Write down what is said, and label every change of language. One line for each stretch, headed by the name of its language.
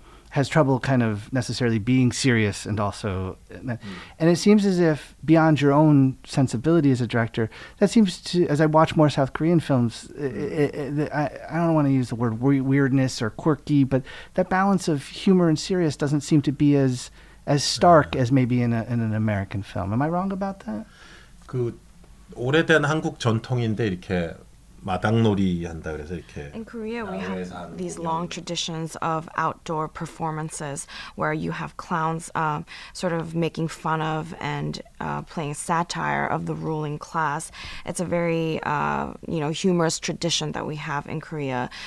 English: has trouble kind of necessarily being serious, and also and it seems as if beyond your own sensibility as a director, that seems to, as I watch more South Korean films, I don't want to use the word weirdness or quirky, but that balance of humor and serious doesn't seem to be as stark as maybe in an American film. Am I wrong about that?
Korean: 그 오래된 한국 전통인데 이렇게 마당놀이 한다 그래서 이렇게
English: In Korea we have these long traditions of outdoor performances where you have clowns sort of making fun of and playing satire of the ruling class. It's a very you know, humorous tradition that we have in Korea.